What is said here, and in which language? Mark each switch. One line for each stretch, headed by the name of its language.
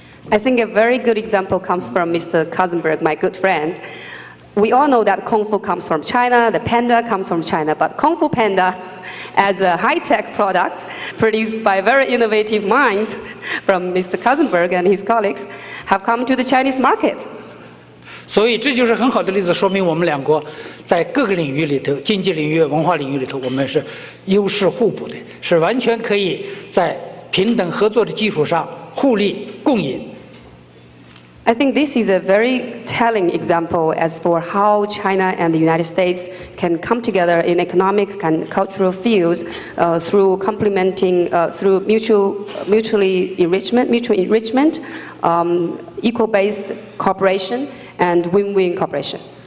English: I think a very good example comes from Mr. Kazenberg, my good friend. We all know that Kung Fu comes from China, the panda comes from China, but Kung Fu Panda, as a high-tech product produced by very innovative minds from Mr. Kazenberg and his colleagues, have come to the Chinese market.
Chinese: 所以这就是很好的例子，说明我们两国在各个领域里头，经济领域、文化领域里头，我们是优势互补的，是完全可以在平等合作的基础上。
English: I think this is a very telling example as for how China and the United States can come together in economic and cultural fields through complementing, through mutual enrichment, equal-based cooperation, and win-win cooperation.